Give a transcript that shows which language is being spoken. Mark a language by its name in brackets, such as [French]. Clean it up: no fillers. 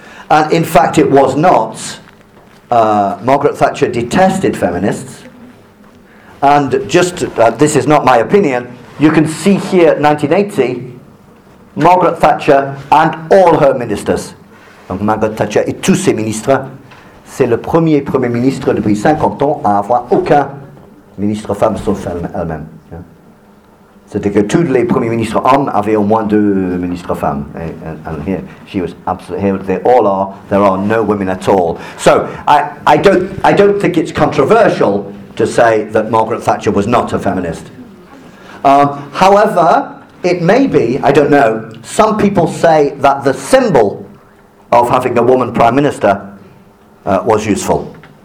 [English] And in fact, it was not. Margaret Thatcher detested feminists. And just, this is not my opinion, you can see here 1980, Margaret Thatcher and all her ministers. [French] Donc Margaret Thatcher et tous ses ministres. C'est le premier Premier ministre depuis 50 ans à avoir aucun ministre femme sauf elle-même. C'était que tous les premiers ministres hommes avaient au moins deux ministres femmes. [English] And here, she was absolutely, here they all are, there are no women at all. So, I don't think it's controversial to say that Margaret Thatcher was not a feminist. However, it may be, I don't know, some people say that the symbol of having a woman prime minister was useful.